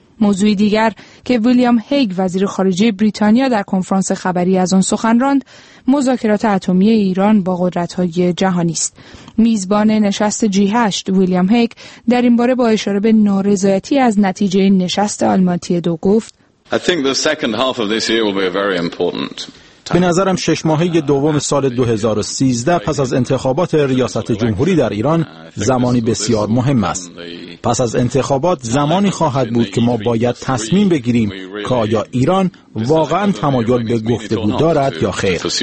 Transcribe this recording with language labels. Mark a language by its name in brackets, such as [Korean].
[Persian] موضوع دیگر که ویلیام هیگ وزیر خارجه بریتانیا در کنفرانس خبری از آن سخن راند، مذاکرات اتمی ایران با قدرت‌های جهانی است. میزبان نشست G8 ویلیام هیگ در این باره با اشاره به نارضایتی از نتیجه نشست آلماتی دو گفت: [English] I think the second half of this year will be a very important. [Persian] به نظرم 6 ماهه دوم سال 2013 پس از انتخابات ریاست جمهوری در ایران زمانی بسیار مهم است. پس از انتخابات زمانی خواهد بود که ما باید تصمیم بگیریم که آیا ایران واقعا تمایل به گفتگو دارد یا خیر.